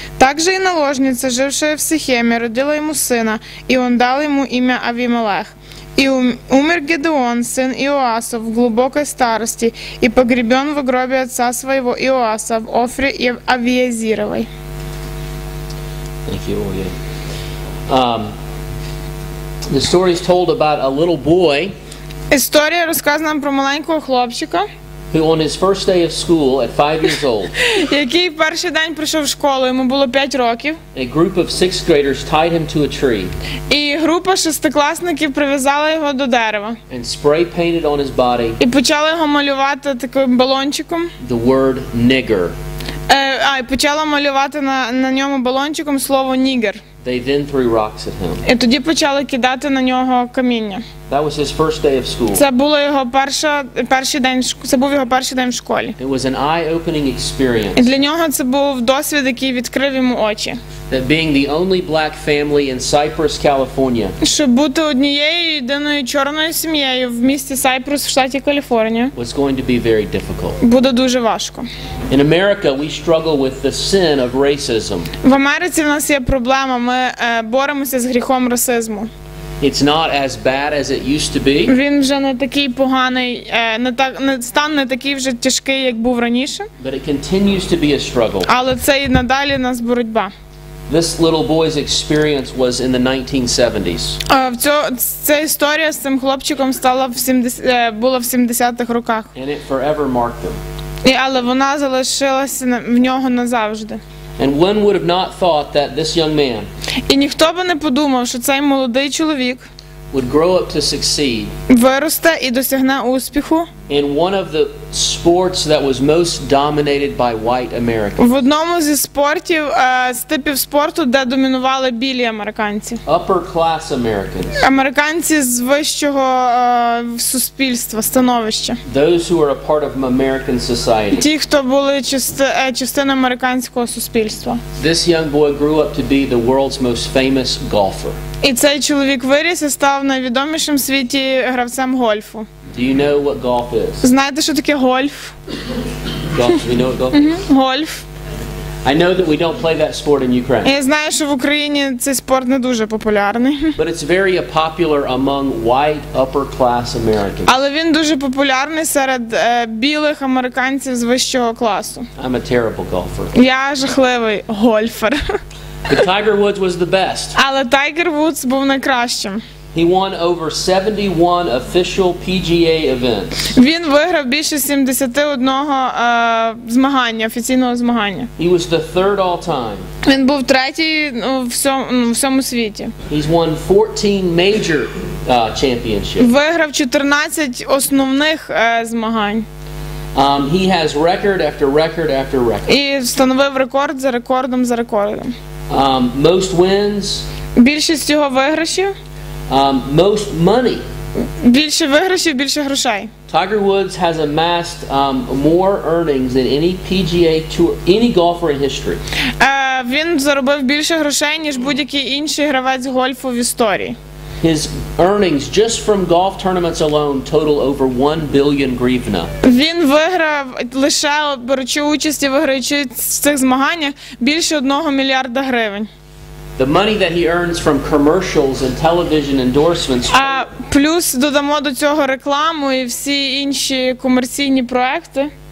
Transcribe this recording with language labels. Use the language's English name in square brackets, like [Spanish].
[Russian] Также и наложница, жившая в Сихеме, родила ему сына, и он дал ему имя Авимелех. И умер Гедеон, сын Иоаса, в глубокой старости, и погребен в гробе отца своего Иоаса в Офре и Авиезировой. [English] Thank you, Oye. The story is told about a little boy. [Russian] История рассказана про маленького [Ukrainian] хлопчика. [English] Who on his first day of school at 5 years old. [Ukrainian] Який перший день прийшов в школу, йому було 5 років. [English] A group of sixth graders tied him to a tree. [Ukrainian] І група шестикласників прив'язала його до дерева. [English] And spray painted on his body. [Ukrainian] І почали його малювати таким балончиком. [English] The word nigger. [Ukrainian] І почала малювати на ньому балончиком слово нігер. [English] They then threw rocks at him. [Ukrainian] І тоді почали кидати на нього каміння. [English] That was his first day of school. [Ukrainian] Це було його перший день, це був його перший день в школі. [English] It was an eye-opening experience. [Ukrainian] І для нього це був досвід, який відкрив йому очі. [English] That being the only black family in Cypress, California. [Ukrainian] Щоб бути однією єдиною чорною сім'єю в місті Сайпрус в штаті Каліфорнія. [English] Was going to be very difficult. [Ukrainian] Буде дуже важко. [English] In America we struggle with the sin of racism. [Ukrainian] В Америці в нас є проблема, ми боремося з гріхом расизму. [English] It's not as bad as it used to be. [Ukrainian] Він вже не такий поганий, стан не такий вже тяжкий, як був раніше. [English] But it continues to be a struggle. [Ukrainian] Але це і надалі нас боротьба. [English] This little boy's experience was in the 1970s. [Ukrainian] Ця історія з цим хлопчиком стала була в 70-х роках. [English] And it forever marked him. [Ukrainian] Але вона залишилася в нього назавжди. [English] And one would have not thought that this young man [Ukrainian] І ніхто би не подумав, що цей молодий чоловік [English] would grow up to succeed [Ukrainian] виросте і досягне успіху [English] in one of the sports that was most dominated by white Americans. [Ukrainian] В одному зі спортів, з типів спорту, де домінували білі американці. [English] Upper class Americans. [Ukrainian] Американці з вищого суспільства, становища. [English] Those who were a part of American society. [Ukrainian] Ті, хто були частиною американського суспільства. [English] This young boy grew up to be the world's most famous golfer. [Ukrainian] І цей чоловік виріс і став найвідомішим в світі гравцем гольфу. [English] Do you know what golf is? [Ukrainian] Знаєте, що таке гольф? [English] Golf, do you know what golf is? [Ukrainian] Гольф. [English] I know that we don't play that sport in Ukraine. [Ukrainian] Я знаю, що в Україні цей спорт не дуже популярний. [English] But it's very popular among white upper class Americans. [Ukrainian] Але він дуже популярний серед білих американців з вищого класу. [English] I'm a terrible golfer. [Ukrainian] Я жахливий гольфер. [English] But Tiger Woods was the best. [Ukrainian] Але Tiger Woods був найкращим. [English] He won over 71 official PGA events. [Ukrainian] Він виграв більше 71-го змагання, офіційного змагання. [English] He was the third all-time. [Ukrainian] Він був третій у всьому світі. [English] He's won 14 major championships. [Ukrainian] Виграв 14 основних змагань. [English] He has record after record after record. [Ukrainian] І встановив рекорд за рекордом за рекордом. [English] Most wins. [Ukrainian] Більшість його виграшів. [English] Most money. [Ukrainian] Більше виграшів, більше грошей. [English] Tiger Woods has amassed more earnings than any PGA tour, any golfer in history. [Ukrainian] Він заробив більше грошей, ніж будь-який інший гравець гольфу в історії. [English] His earnings just from golf tournaments alone total over 1 billion hryvnia. [Ukrainian] Він виграв, лише беручи участь і виграючи в цих змаганнях, більше 1 мільярда гривень. [English] The money that he earns from commercials and television endorsements. [Ukrainian] А плюс додамо до цього рекламу і всі інші комерційні проекти.